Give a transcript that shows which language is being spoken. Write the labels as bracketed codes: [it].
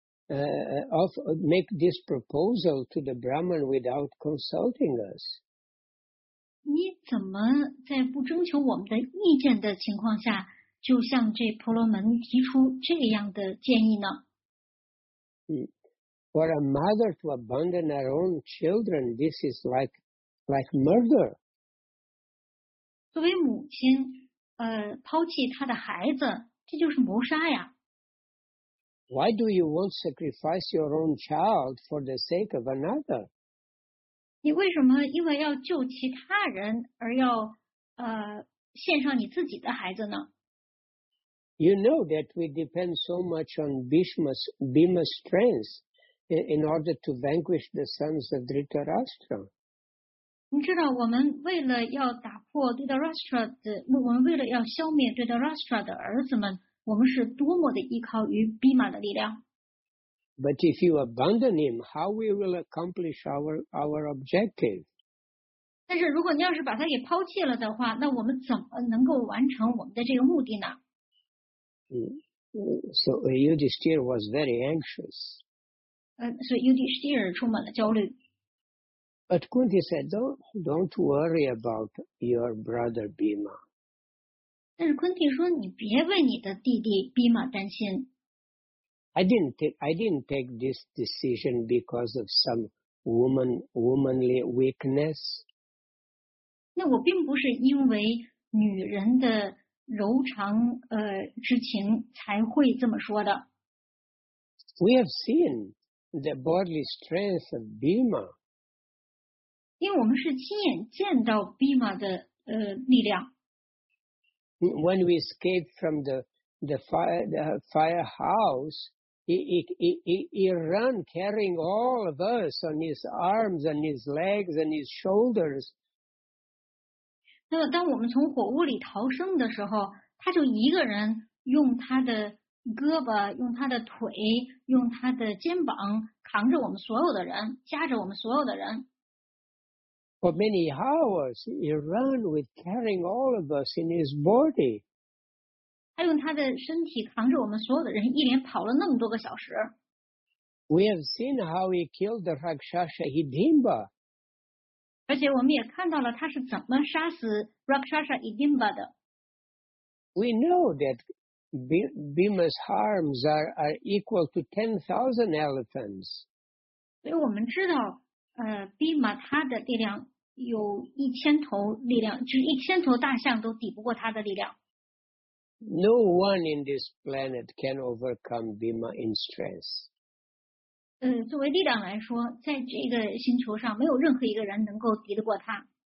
[en] ，How can you offer Bhima, make this proposal to the Brahman without consulting us？ [zh] 你怎么在不征求我们的意见的情况下？就像这婆罗门提出这样的建议呢。 [en] For a mother to abandon her own children, this is like murder. [zh] 作为母亲，抛弃她的孩子，这就是谋杀呀。 [en] Why do you want to sacrifice your own child for the sake of another? [zh] 你为什么因为要救其他人而要献上你自己的孩子呢？ [en] You know that we depend so much on Bhima's strength in order to vanquish the sons of Dhritarashtra. [zh] 你知道我们为了要打破 Dhritarashtra 的，我们为了要消灭 Dhritarashtra 的儿子们，我们是多么的依靠于 Bhima 的力量。 [en] But if you abandon him, how we will accomplish our objective? [zh] 但是如果你要是把他给抛弃了的话，那我们怎么能够完成我们的这个目的呢？ [en] So Yudhisthira was very anxious. So [zh] Yudhisthira 充满了焦虑。 [en] But Kunti said, don't worry about your brother Bhima. [zh] 但是 Kunti 说，你别为你的弟弟 Bhima 担心。 [en] I didn't take this decision because of some womanly weakness. [zh] 那我并不是因为女人的柔肠之情才会这么说的。 [en] We have seen the bodily strength of Bhima. [zh] 因为我们是亲眼见到 Bhima 的力量。 [en] When we escaped from the firehouse, he ran carrying all of us on his arms and his legs and his shoulders. [zh] 那么当我们从火屋里逃生的时候，他就一个人用他的胳膊，用他的腿，用他的肩膀扛着我们所有的人，夹着我们所有的人。 [en] For many hours, he ran with carrying all of us in his body. [zh] 他用他的身体扛着我们所有的人，一连跑了那么多个小时。 [en] We have seen how he killed the Rakshasa Hidimba. [zh] 而且我们也看到了他是怎么杀死 Rakshasa Hidimba 的。 [en] We know that Bhima's arms are equal to 10,000 elephants. [zh] 所以我们知道Bhima 他的力量有一千头力量，就是一千头大象都抵不过他的力量。 [en] No one in this planet can overcome Bhima in strength. [zh] 作为力量来说，在这个星球上没有任何一个人能够敌得过他。